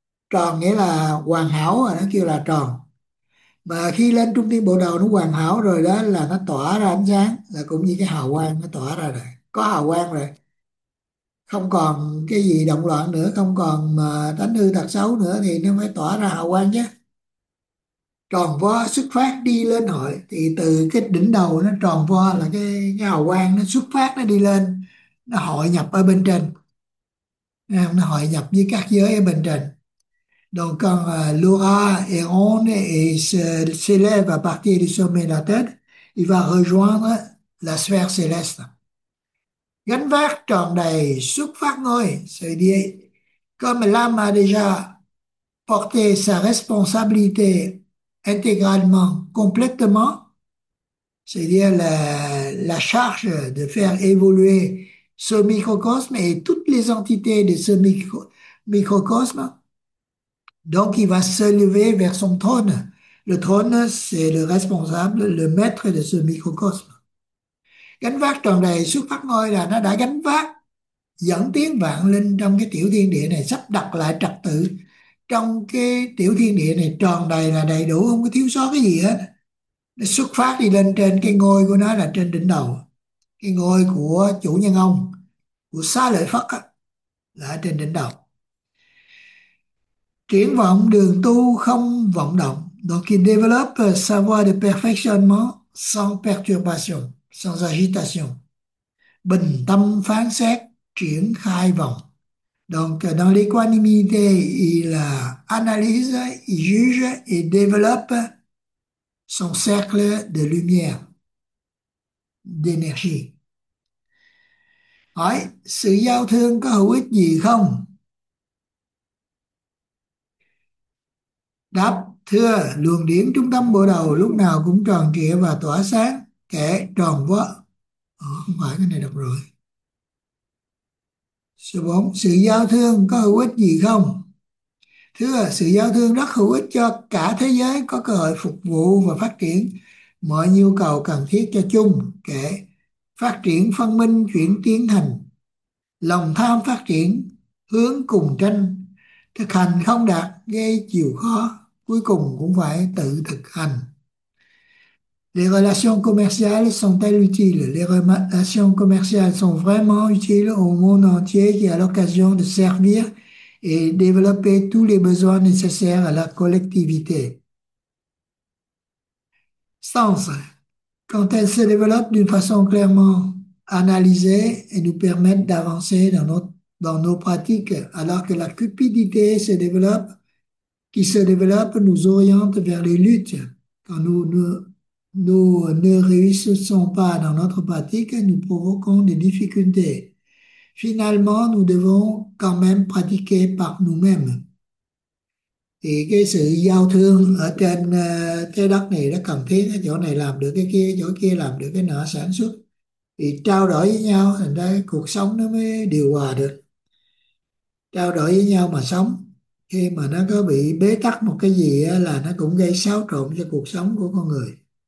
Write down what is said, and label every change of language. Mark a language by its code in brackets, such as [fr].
[vi] Tròn nghĩa là hoàn hảo, nó kêu là tròn. Mà khi lên trung tâm bộ đầu nó hoàn hảo rồi đó, là nó tỏa ra ánh sáng, là cũng như cái hào quang nó tỏa ra rồi, có hào quang rồi, không còn cái gì động loạn nữa, không còn mà tánh hư tật xấu nữa thì nó mới tỏa ra hào quang chứ. Tròn vo xuất phát đi lên hội, thì từ cái đỉnh đầu nó tròn vo là cái hào quang nó xuất phát, nó đi lên, nó hội nhập ở bên trên, nó hội nhập với các giới ở bên trên. [fr] Donc l'aura est ronde et s'élève à partir du sommet de la tête. Il va rejoindre la sphère céleste. [vi] Gánh vác tròn đầy xuất phát ngôi. [fr] C'est dit, comme l'âme a déjà porté sa responsabilité intégralement, complètement, c'est-à-dire la charge de faire évoluer ce microcosme et toutes les entités de ce microcosme, Donc, il va se lever vers son trône. Le trône, c'est le responsable, le maître de ce microcosme. [vi] Gánh vác trọn đời suốt phát ngôi là nó đã gánh vác, dẫn tiến vạn linh trong cái tiểu thiên địa này, sắp đặt lại trật tự trong cái tiểu thiên địa này tròn đầy là đầy đủ, không có thiếu sót cái gì hết. Nó xuất phát đi lên trên cái ngôi của nó, là trên đỉnh đầu, cái ngôi của chủ nhân ông, của Xá Lợi Phất đó, là trên đỉnh đầu. Triển vọng đường tu không vọng động, [fr] donc develop savoir de perfectionnement sans perturbation, sans agitation. [vi] Bình tâm phán xét, triển khai vọng. [fr] Donc, dans l'équanimité, il analyse, il juge et développe son cercle de lumière, d'énergie. [vi] Hỏi, sự giao thương có hữu ích gì không? Đáp, thưa, luồng điển trung tâm bộ đầu lúc nào cũng tròn trịa và tỏa sáng, kẻ tròn vỡ. Không phải cái này đọc rồi. Số 4, sự giao thương có hữu ích gì không? Thưa, sự giao thương rất hữu ích cho cả thế giới có cơ hội phục vụ và phát triển mọi nhu cầu cần thiết cho chung, kể phát triển phân minh chuyển tiến thành lòng tham phát triển hướng cùng tranh, thực hành không đạt gây chịu khó, cuối cùng cũng phải tự thực hành. [fr] Les relations commerciales sont elles utiles? Les relations commerciales sont vraiment utiles au monde entier qui a l'occasion de servir et développer tous les besoins nécessaires à la collectivité. Sens. Quand elles se développent d'une façon clairement analysée et nous permettent d'avancer dans nos pratiques, alors que la cupidité se développe, qui se développe, nous oriente vers les luttes. Quand nous ne réussissons pas dans notre pratique, nous provoquons des difficultés. Finalement, nous devons quand même pratiquer par nous-mêmes. [vi] Thì cái sự giao thương ở trên trái đất này nó cần thiết, cái chỗ này làm được cái kia, chỗ kia làm được cái nọ, sản xuất thì trao đổi với nhau, thành ra cuộc sống nó mới điều hòa được. Trao đổi với nhau mà sống, khi mà nó có bị bế tắc một cái gì là nó cũng gây xáo trộn cho cuộc sống của con người.